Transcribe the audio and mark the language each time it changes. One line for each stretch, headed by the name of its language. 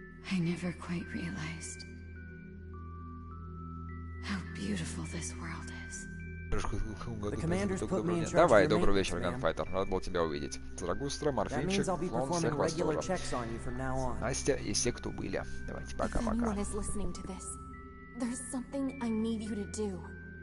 English: I never quite realized how beautiful this world is. The commander's put me in charge.
Russian: Давай, добрый вечер, Ганфайтер. Рад был тебя увидеть. Зарагустра, Морфинчик, Флон, всех вас тоже. Настя и все, кто были. Давайте, пока-пока.
English: If anyone is listening to this, there's something I need you to do.